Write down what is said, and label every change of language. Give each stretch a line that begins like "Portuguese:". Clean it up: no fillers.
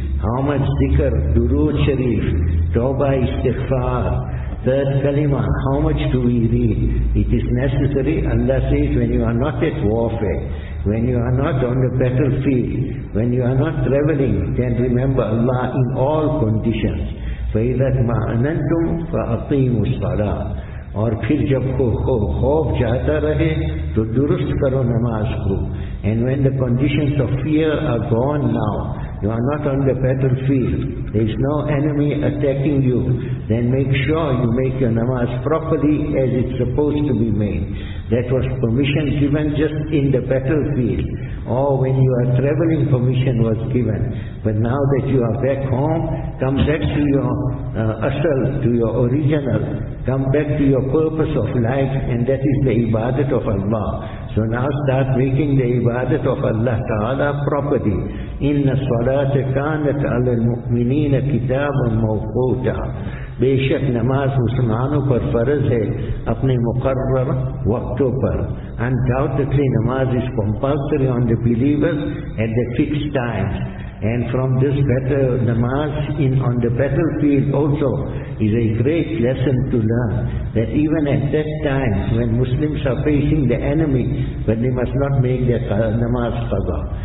English: How much zikr, durood Sharif, tawbah istighfar, third kalima, how much do we read? It is necessary, Allah says, when you are not at warfare, when you are not on the battlefield, when you are not traveling, then remember Allah in all conditions.
Arabic: فَإِذَا تَمَعَنَنْتُمْ فَأَقِيمُ الصَّلَاةِ.
Urdu: اور پھر جب خوف جاتا رہے تو درست کرو نماز کو.
English: And when the conditions of fear are gone now, you are not on the battlefield, there is no enemy attacking you, then make sure you make your namaz properly as it's supposed to be made. That was permission given just in the battlefield, or when you are traveling, permission was given. But now that you are back home, come back to your asal, to your original, come back to your purpose of life, and that is the ibadat of Allah. So now start making the ibadat of Allah Ta'ala properly.
Arabic: Inna salata kanat ala al-mu'minina kitaban mawquta.
Urdu: بے شک نماز مسلمانوں پر فرض ہے اپنے مقرر وقتوں پر.
English: Undoubtedly نماز is compulsory on the believers at the fixed times. And from this better, namaz in on the battlefield also is a great lesson to learn. That even at that time when Muslims are facing the enemy, but they must not make their namaz qaza.